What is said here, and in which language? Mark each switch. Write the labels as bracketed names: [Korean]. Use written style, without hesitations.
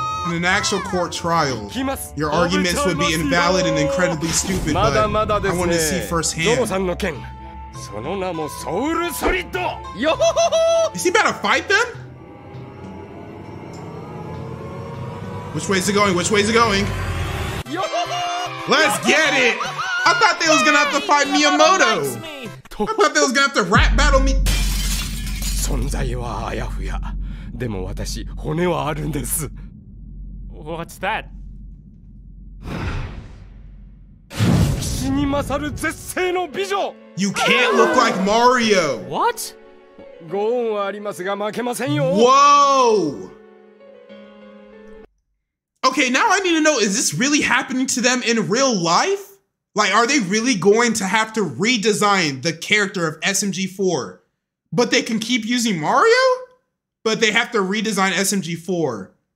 [English] In an actual court trial, your arguments would be invalid and incredibly stupid, but I want to see firsthand. [Japanese] その名もソウルソリッド。ヨホホホ。 [English] Is he about to fight them? Which way is it going? Which way is it going? ヨホホ。 Let's get it. I thought they was gonna have to fight Miyamoto. I thought they was gonna have to rap battle me. [Japanese] 存在はあやふや。でも私骨はあるんです。 [English] What's that? [Japanese] 死に勝る絶世の美女。 [English] You can't look like Mario. What? [Japanese] ご恩はありますが負けませんよ。 [English] Whoa. Okay, now I need to know, is this really happening to them in real life? Like, are they really going to have to redesign the character of SMG4? But they can keep using Mario? But they have to redesign SMG4.